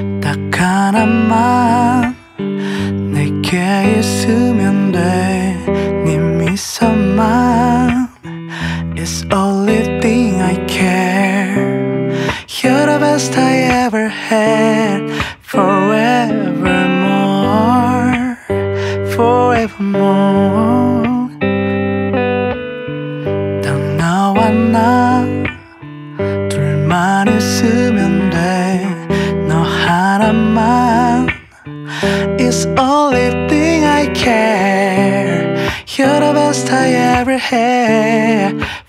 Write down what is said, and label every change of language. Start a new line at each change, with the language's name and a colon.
Korean: 딱 하나만 내게 있으면 돼. 네 미소만
English: It's only thing I care. You're the best I ever had. Forevermore. Forevermore.
Korean: 딱 너와 나 둘만 있으면 돼. 너 하나만
English: It's only thing I care. You're the best I ever had.